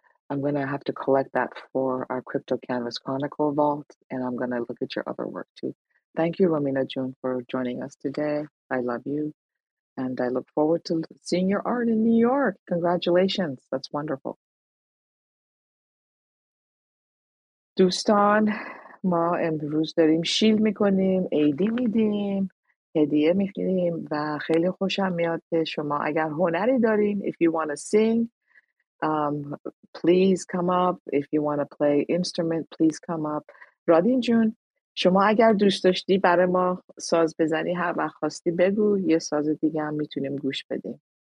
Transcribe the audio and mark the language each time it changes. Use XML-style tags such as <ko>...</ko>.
<en>I'm going to have to collect that for our Crypto Canvas Chronicle vault, and I'm going to look at your other work too. Thank you, Romina June, for joining us today. I love you. And I look forward to seeing your art in New York. Congratulations. That's wonderful.</en> <fa>دوستان، ما امروز داریم شیل میکنیم، عیدی میدیم، هدیه میدیم و خیلی خوشم میاد که شما اگر هنری داریم.</fa> <en>If you want to sing, please come up. If you want to play instrument, please come up.</en> <fa>رادین جون، شما اگر دوست داشتی برای ما ساز بزنی هر وقت خواستی بگو، یه ساز دیگه هم میتونیم گوش بدیم.</fa>